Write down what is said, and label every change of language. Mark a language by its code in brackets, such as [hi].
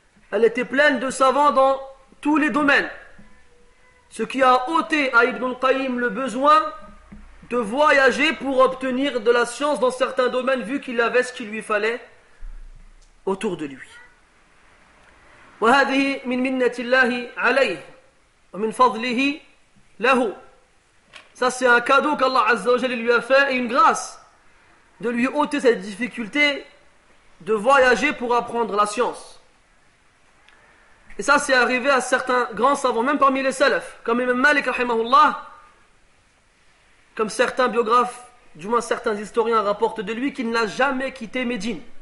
[fr] Elle était pleine de savants dans tous les domaines. Ce qui a ôté à Ibn al-Qayyim le besoin de voyager pour obtenir de la science dans certains domaines, vu qu'il avait ce qu'il lui fallait autour de lui. [ar] وهذه من منة الله عليه ومن فضله له. [fr] Ça, c'est un cadeau qu'Allah Azza wa Jalla lui a fait et une grâce de lui ôter cette difficulté de voyager pour apprendre la science. Et ça, c'est arrivé à certains grands savants, même parmi les salafs, comme Imam Malik rahimahullah, comme certains biographes, du moins certains historiens rapportent de lui, qu'il n'a jamais quitté Médine.